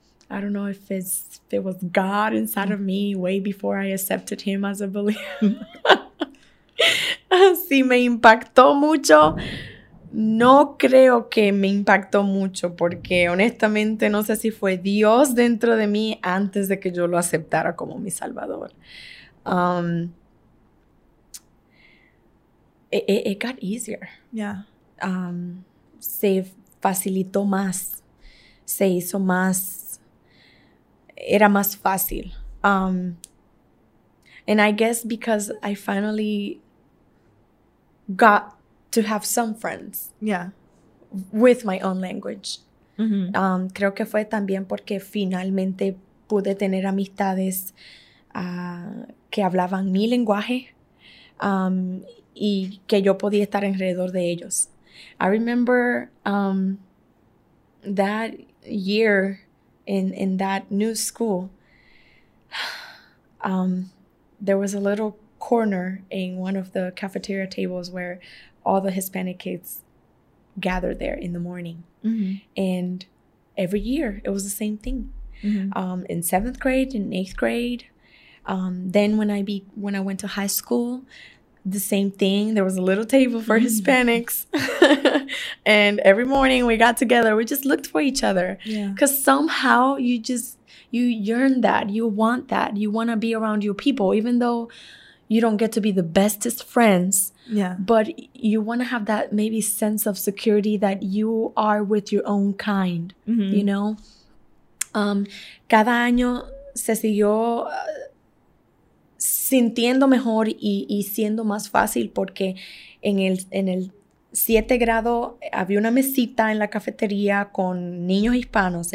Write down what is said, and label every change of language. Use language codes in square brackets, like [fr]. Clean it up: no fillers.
[en] I don't know if it was God inside of me way before I accepted him as a believer. [es] Si me impactó mucho, no creo que me impactó mucho, porque honestamente no sé si fue Dios dentro de mí antes de que yo lo aceptara como mi salvador. [en] It got easier. Yeah. [es] Se facilitó más. Se hizo más. Era más fácil. [en] And I guess because I finally got to have some friends. Yeah. With my own language. Mm-hmm. [es] Creo que fue también porque finalmente pude tener amistades que hablaban mi lenguaje. Y que yo podía estar alrededor de ellos. [en] I remember that year in that new school, there was a little corner in one of the cafeteria tables where all the Hispanic kids gathered there in the morning. Mm-hmm. And every year it was the same thing. Mm-hmm. In seventh grade, in eighth grade. Then when I went to high school, the same thing. There was a little table for Hispanics. And every morning we got together, we just looked for each other. Yeah. Because somehow you yearn that. You want that. You want to be around your people, even though you don't get to be the bestest friends. Yeah. But you want to have that maybe sense of security that you are with your own kind. Mm-hmm. You know? [es] Cada año se siguió sintiendo mejor y siendo más fácil, porque en el 7 grado había una mesita en la cafetería con niños hispanos.